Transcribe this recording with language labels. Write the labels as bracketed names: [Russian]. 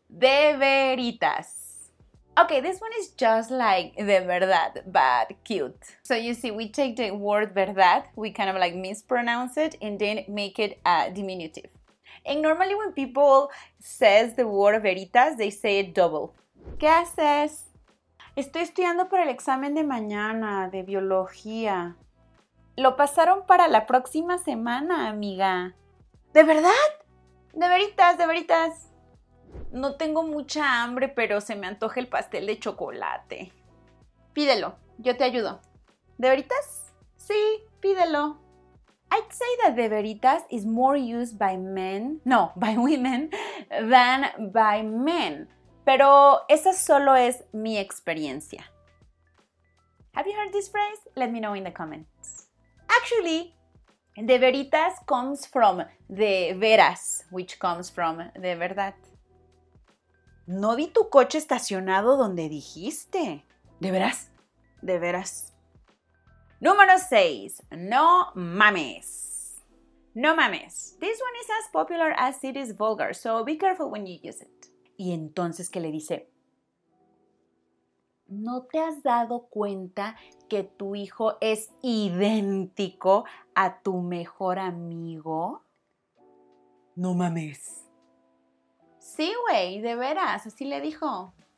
[English] De veritas. Okay, this one is just like de verdad, but cute. So you see, we take the word verdad, we kind of like mispronounce it, and then make it a diminutive. And normally when people says the word veritas, they say it double. [Spanish] ¿Qué haces? Estoy estudiando para el examen de mañana de biología. Lo pasaron para la próxima semana, amiga. ¿De verdad? De veritas, de veritas. No tengo mucha hambre, pero se me antoja el pastel de chocolate. Pídelo, yo te ayudo. ¿De veritas? Sí, pídelo. [English] I'd say that de veritas is more used by men, no, by women, than by men. [Spanish] Pero esa solo es mi experiencia. [English] Have you heard this phrase? Let me know in the comments. Actually, de veritas comes from de veras, which comes from de verdad. [Spanish] No vi tu coche estacionado donde dijiste. ¿De veras? De veras. Número 6. No mames. No mames. [English] This one is as popular as it is vulgar, so be careful when you use it. [Spanish] ¿Y entonces qué le dice? ¿No te has dado cuenta que tu hijo es idéntico a tu mejor amigo? No mames. Sí, güey, de veras, así le dijo.